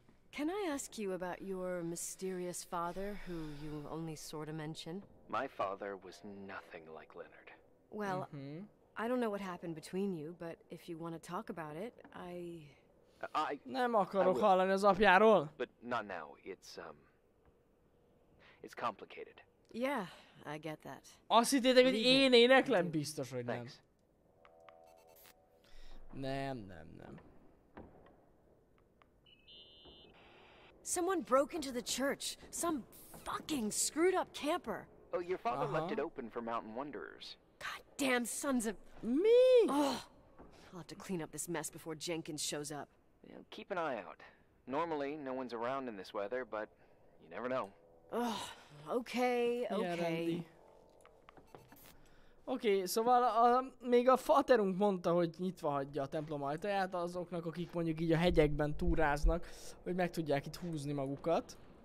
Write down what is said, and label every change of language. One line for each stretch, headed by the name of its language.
English: Can I ask you about your mysterious father, who you only sort of mention? My father was nothing like Leonard. Well, I don't know what happened between you, but if you want to talk about it, I
Hungarian: nem akarok hallani az apjáról.
English: But not now. It's complicated. Yeah, I get that.
Hungarian: Azt hittétek, hogy én éneklem? Biztos, hogy nem. Nem, nem, nem.
English: Someone broke into the church. Some fucking screwed up camper. Oh, your father left it open for mountain wanderers. Goddamn sons of me! Oh, I'll have to clean up this mess before Jenkins shows up. Yeah, keep an eye out. Normally, no one's around in this weather, but you never know. Oh, okay, okay.
Hungarian: Yeah, oké, okay, szóval még a faterunk mondta, hogy nyitva hagyja a templom ajtaját azoknak, akik mondjuk így a hegyekben túráznak, hogy meg tudják itt húzni magukat.